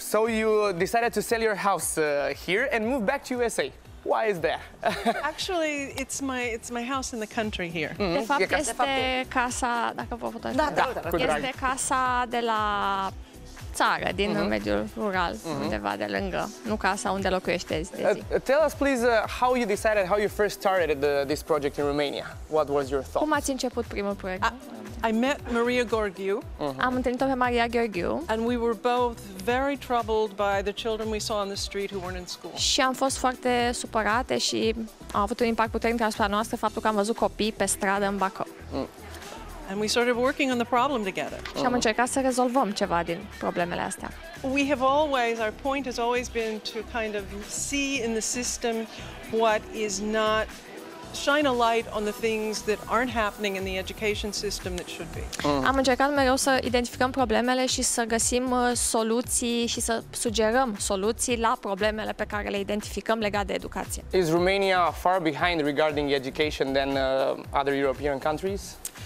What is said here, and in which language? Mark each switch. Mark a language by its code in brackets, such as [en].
[en] So you decided to sell your house here and move back to USA. Why is that? Actually, it's my house in the country here. Mm-hmm. [ro] De fapt, este casa, dacă vă puteți da, cu drag. Este casa de la țară, din mm-hmm. mediul rural, mm-hmm. undeva de lângă, nu casa unde locuiește zi de zi. [en] Tell us, please, how you decided, how you first started this project in Romania. What was your thought? [ro] Cum ați început primul proiect? [en] I met Maria Gorghiu. [ro] Am întâlnit-o pe Maria Gorghiu. [en] And we were both very troubled by the children we saw on the street who weren't in school. [ro] Și am fost foarte supărate și am avut un impact puternic asupra noastră faptul că am văzut copii pe stradă în Bacău. [en] And we started working on the problem together. [ro] Și am încercat să rezolvăm ceva din problemele astea. [en] We have always, our point has always been to kind of see in the system what is not, shine a light on the things that aren't happening in the education system that should be. [ro] Am încercat mereu să identificăm problemele și să găsim soluții și să sugerăm soluții la problemele pe care le identificăm legate de educație. [en] Is Romania far behind regarding education than other European countries?